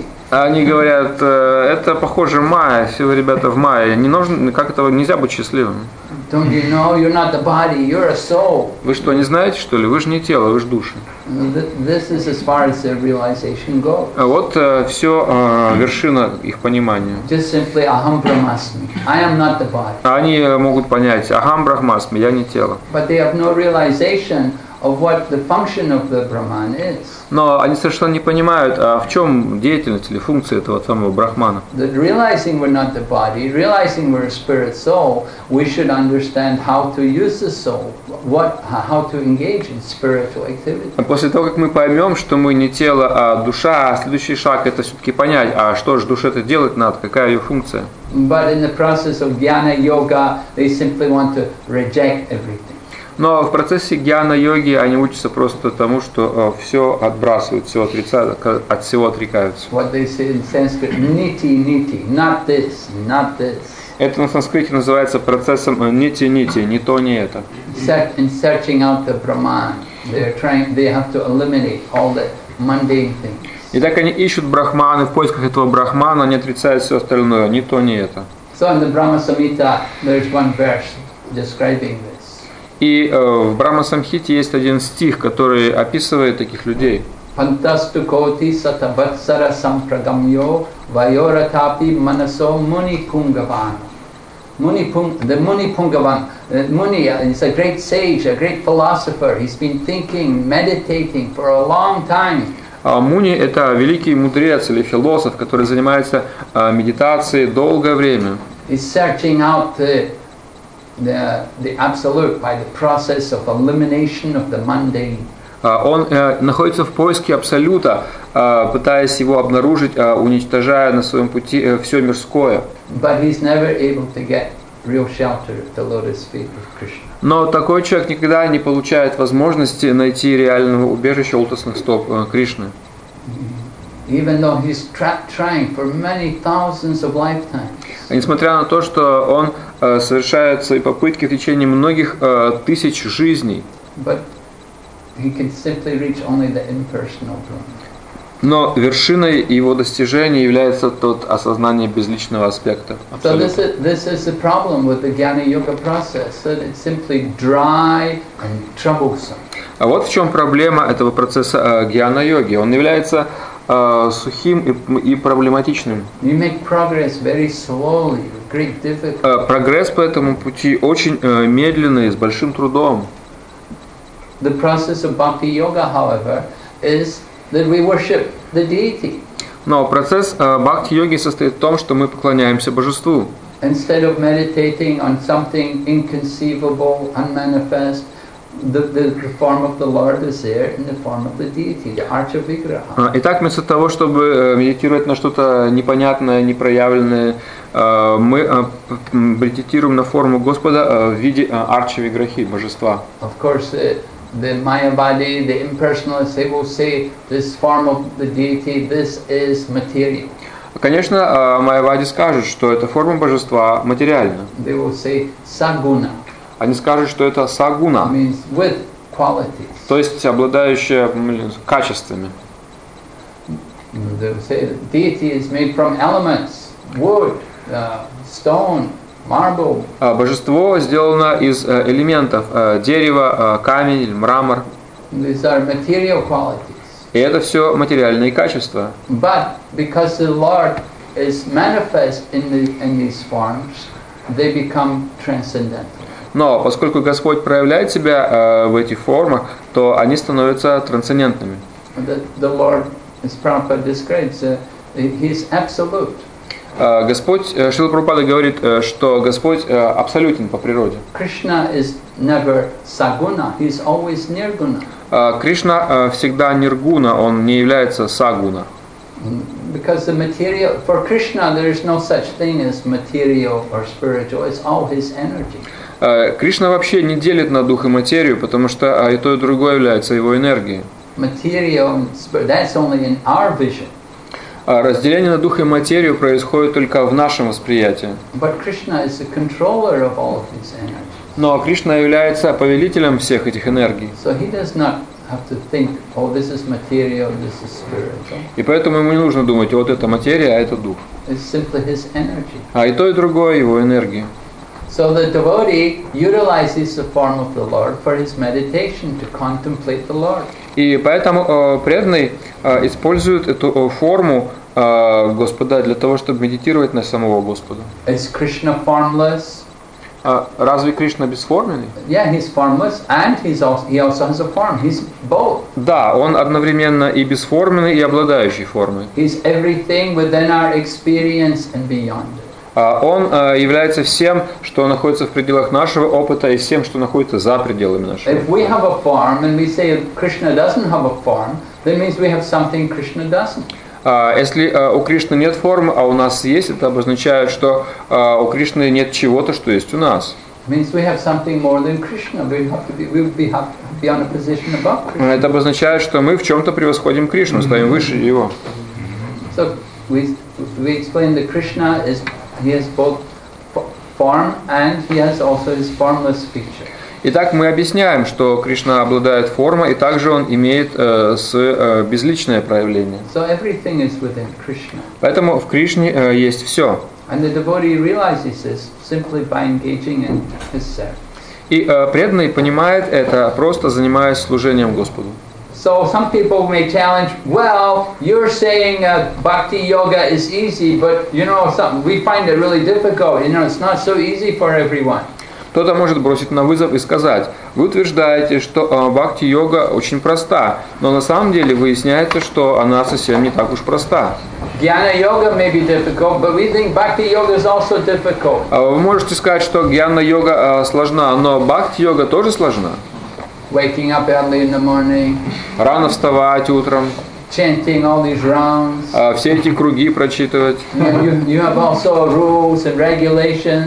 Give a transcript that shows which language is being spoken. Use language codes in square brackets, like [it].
[ru] Они говорят, это похоже майя, все вы, ребята, в майе. Не нужно, как это, нельзя быть счастливым. [en] Don't you know, you're not the body, you're a soul. [ru] Вы что, не знаете, что ли? Вы же не тело, вы же душа. [en] This is as far as their realization goes. [ru] Вот все вершина их понимания. [en] Just simply [sa] aham brahmasmi. [en] I am not the body. [ru] Они могут понять, [sa] aham brahmasmi, [ru] я не тело. [en] But they have no realization of what the function of the brahman is. [ru] Но они совершенно не понимают, а в чем деятельность или функция этого самого брахмана. [en] That realizing we're not the body, realizing we're a spirit soul, we should understand how to use the soul, how to engage in spiritual activity. [ru] После того, как мы поймем, что мы не тело, а душа, следующий шаг это все-таки понять, а что же душе-то делать надо, какая ее функция. [en] But in the process of jnana yoga, they simply want to reject everything. [ru] Но в процессе джняна-йоги они учатся просто тому, что все отбрасывают, все отрицают, от всего отрекаются. [en] What they say in Sanskrit, niti-niti, not this, not this. [ru] Это на санскрите называется процессом нити-нити, не то, не это. [en] In searching out the Brahman, they have to eliminate all the mundane things. [ru] И так они ищут брахманы, в поисках этого брахмана они отрицают все остальное, не то, не это. [en] So in the Brahma Samhita, there is one verse describing this. [ru] И в Брахма-самхите есть один стих, который описывает таких людей. [sa] Пантасту коти сатабатсара сампрагамьо вайора тапи манасо муни пунгаван. [en] The [sa] муни пунгаван. [en] Муни is a great sage, a great philosopher. He's been thinking, meditating for a long time. [ru] Муни – это великий мудрец или философ, который занимается медитацией долгое время. [en] He's searching out the absolute by the process of elimination of the mundane. [ru] Он находится в поиске абсолюта, пытаясь его обнаружить, уничтожая на своем пути все мирское. [en] But he's never able to get real shelter at the lotus feet of Krishna. [ru] Но такой человек никогда не получает возможности найти реального убежища у лотосных стоп Кришны. [en] Even though he's trying for many thousands of lifetimes. [ru] Несмотря на то, что он совершает свои попытки в течение многих тысяч жизней. [en] But he can simply reach only the impersonal realm. [ru] Но вершиной его достижения является тот осознание безличного аспекта. [en] So this is the problem with the Jnana Yoga process, that it's simply dry and troublesome. [ru] А вот в чем проблема этого процесса Jnana Yoga. Он является сухим и проблематичным. [en] You make progress very slowly, with great difficulty. [ru] Прогресс по этому пути очень медленный, с большим трудом. [en] The process of Bhakti Yoga, however, is that we worship the deity. [ru] Но процесс бхакти-йоги состоит в том, что мы поклоняемся божеству. [en] Instead of meditating on something inconceivable, unmanifest, the form of the Lord is there in the form of the deity, the Archa-Vigraha. [ru] Итак, вместо того, чтобы медитировать на что-то непонятное, непроявленное, мы медитируем на форму Господа в виде Арчи-Виграхи, божества. [en] Of course, the Mayavadi, the impersonalists, they will say this form of the deity, this is material. [ru] Конечно, Mayavadi скажут, что эта форма божества материальна. [en] They will say saguna. [ru] Они скажут, что это сагуна. [en] Means with qualities. [ru] То есть обладающая качествами. [en] They will say deity is made from elements, wood, stone. Marble. [ru] Божество сделано из элементов дерева, камень или мрамор. [en] These are material qualities. [ru] И это все материальные качества. [en] But because the Lord is manifest in these forms, they become transcendental. [ru] Но поскольку Господь проявляет себя в этих формах, то они становятся трансцендентными. [en] The Lord, as Prabhupada describes, he is absolute. [ru] Господь, Шрила Прабхупада говорит, что Господь абсолютен по природе. [en] Krishna is never saguna, he is always nirguna. [ru] Кришна всегда ниргуна, он не является сагуна. [en] Because the material, for Krishna there is no such thing as material or spiritual, it's all his energy. [ru] Кришна вообще не делит на дух и материю, потому что и то, и другое является его энергией. [en] Material and spirit, that's only in our vision. [ru] Разделение на дух и материю происходит только в нашем восприятии. [en] But Krishna is the controller of all of these energies. [ru] Но Кришна является повелителем всех этих энергий. [en] So he does not have to think, oh, this is material, this is spiritual. [ru] И поэтому ему не нужно думать, вот это материя, а это дух. [en] It's simply his energy. [ru] А и то, и другое его энергия. [en] So the devotee utilizes the form of the Lord for his meditation to contemplate the Lord. [ru] И поэтому преданный использует эту форму Господа для того, чтобы медитировать на самого Господа. [en] Is Krishna formless? [ru] Разве Кришна бесформенный? [en] Yeah, he's formless and he also has a form. He's both. [ru] Да, он одновременно и бесформенный, и обладающий формой. [en] He's everything within our experience and beyond. [ru] Он является всем, что находится в пределах нашего опыта, и всем, что находится за пределами нашего. [en] If we have a form and we say Krishna doesn't have a form, that means we have something Krishna doesn't. [ru] Если у Кришны нет формы, а у нас есть, это обозначает, что у Кришны нет чего-то, что есть у нас. [en] Means we have something more than Krishna. We have to be on a position above Krishna. [ru] Это обозначает, что мы в чем-то превосходим Кришну, ставим выше его. [en] So we explain that Krishna is. He has both form and he has also his formless feature. [ru] Итак, мы объясняем, что Кришна обладает формой, и также он имеет безличное проявление. [en] So everything is within Krishna. [ru] Поэтому в Кришне есть все. [en] And the devotee realizes this simply by engaging in his service. [ru] И преданный понимает это, просто занимаясь служением Господу. [en] So some people may challenge, well, you're saying bhakti yoga is easy, but you know something, we find it really difficult, you know, it's not so easy for everyone. [ru] Кто-то может бросить на вызов и сказать, вы утверждаете, что бхакти йога очень проста, но на самом деле выясняется, что она совсем не так уж проста. [en] Jnana yoga may be difficult, but we think bhakti yoga is also difficult. [ru] Вы можете сказать, что jnana йога сложна, но бхакти йога тоже сложна. [en] Waking up early in the morning. [ru] Рано вставать утром. [en] chanting all these rounds. [ru] Все эти круги прочитывать. [en] You have also rules and regulations.